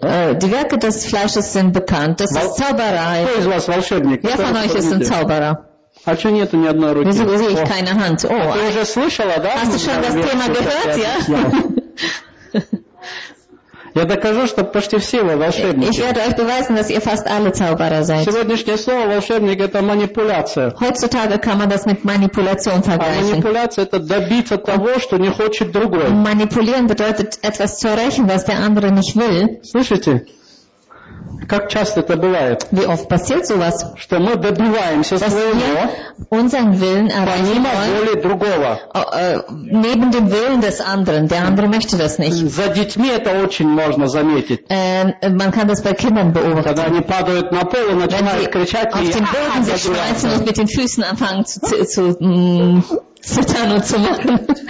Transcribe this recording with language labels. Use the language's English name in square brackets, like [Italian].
[German] Die Werke des Fleisches sind bekannt. Das ist Zauberei. [Russian] Кто из вас волшебник? [German] Wer von euch ist ein Zauberer? [Russian] А что нету ни одной руки? [German] Wieso sehe ich keine Hand? Oh, [Russian] ты уже слышала, да? [German] Hast du schon das Thema gehört, ja? [Russian] Я докажу, что почти все вы волшебники. [German] Ich werde euch beweisen, dass ihr fast alle Zauberer seid. [Russian] Сегодняшнее слово волшебник это манипуляция. [German] Heutzutage kann man das mit Manipulation vergleichen. [Russian] А манипуляция это добиться того, что не хочет другой. [German] Manipulieren bedeutet etwas zu erreichen, was der andere nicht will. [Russian] Слышите? Как часто это бывает? [German] Wie oft passiert sowas? [Russian] Что мы добиваемся [German] dass [Russian] своего, [German] unseren Willen erreichen wollen, [Russian] помимо воли другого. [German] Neben dem Willen des anderen. Der andere möchte das nicht. [Russian] За детьми это очень можно заметить. [German] Man kann das bei Kindern beobachten. [Russian] Когда они падают на пол и начинают кричать, [German] auf den Boden sich schmeißen und mit den Füßen anfangen zu zittern und zu machen.